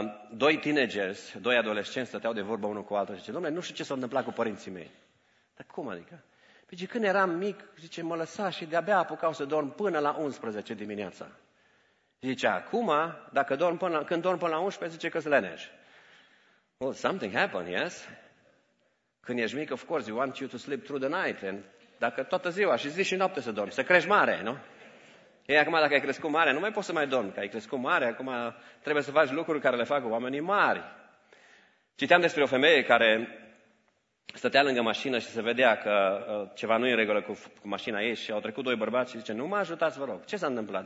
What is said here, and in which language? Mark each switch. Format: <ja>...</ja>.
<ro>Doi tineri, doi adolescenți, stăteau de vorbă unul cu altul și zice, domnule, nu știu ce s-a întâmplat cu părinții mei. Dar cum adică? Zice, când eram mic, zice, mă lăsa și de-abia apucau să dorm până la 11 dimineața. Zice, acum, dacă dorm până, când dorm până la 11, zice că-s leneș.</ro> <en>Well, something happened, yes?</en> <ro>Când ești mic,</ro> <en>of course, you want you to sleep through the night. And</en> <ro>dacă toată ziua și zi și noapte să dormi, să crești mare, nu? Ei, acum dacă ai crescut mare, nu mai poți să mai dormi, că ai crescut mare, acum trebuie să faci lucruri care le fac oamenii mari. Citeam despre o femeie care stătea lângă mașină și se vedea că ceva nu e în regulă cu mașina ei și au trecut doi bărbați și zice, nu mă ajutați, vă rog, ce s-a întâmplat?</ro>